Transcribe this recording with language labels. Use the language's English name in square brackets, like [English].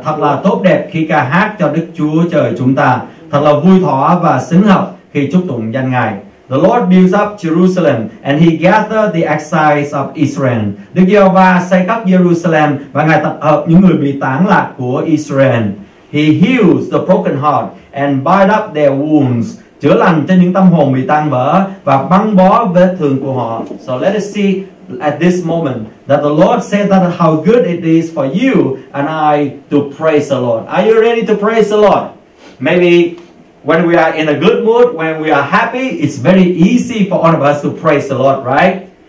[Vietnamese] Thật là tốt đẹp khi ca hát cho Đức Chúa Trời chúng ta. Thật là vui thỏa và xứng hợp khi chúc tụng danh Ngài. [English] The Lord builds up Jerusalem and he gathered the exiles of Israel. [Vietnamese] Đức Giê-hô-va xây cất Jerusalem và Ngài tập hợp những người bị tán lạc của Israel. [English] He heals the broken heart and bind up their wounds. [Vietnamese] Chữa lành cho những tâm hồn bị tan vỡ và băng bó vết thương của họ. [English] So let us see at this moment that the Lord said that how good it is for you and I to praise the Lord. Are you ready to praise the Lord? Maybe when we are in a good mood, when we are happy, it's very easy for all of us to praise the Lord, right?